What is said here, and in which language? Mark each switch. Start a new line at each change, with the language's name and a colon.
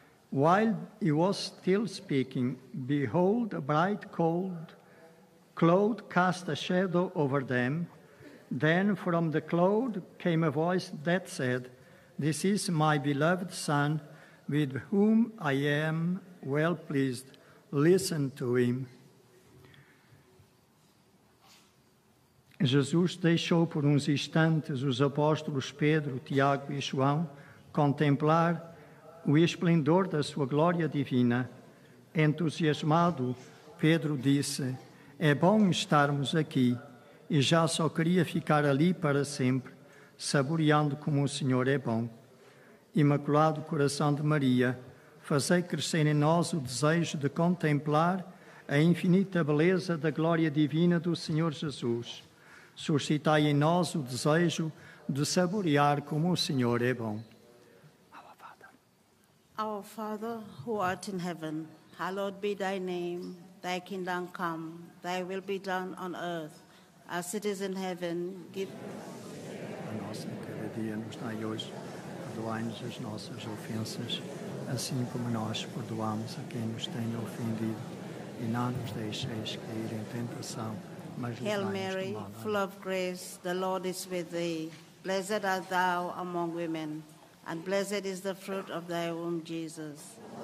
English: While he was still speaking, behold, a bright cloud cast a shadow over them. Then from the cloud came a voice that said, This is my beloved Son, with whom I am well pleased. Listen to him.
Portuguese: Jesus deixou por uns instantes os apóstolos Pedro, Tiago e João contemplar o esplendor da sua glória divina. Entusiasmado, Pedro disse, É bom estarmos aqui, e já só queria ficar ali para sempre, saboreando como o Senhor é bom. Imaculado Coração de Maria, fazei crescer em nós o desejo de contemplar a infinita beleza da glória divina do Senhor Jesus. Suscitai em nós o desejo de saborear como o Senhor é bom.
English: Our Father, who art in heaven, hallowed be thy name. Thy kingdom come, thy will be done on earth, as it is in heaven. Give
Portuguese: a nossa cada dia nos dai hoje, perdoai-nos as nossas ofensas, assim como nós perdoamos a quem nos tem ofendido. E não nos deixeis cair em tentação, mas livrai-nos
English: Hail Mary, full of grace, the Lord is with thee. Blessed art thou among women. And blessed is the fruit of thy womb, Jesus.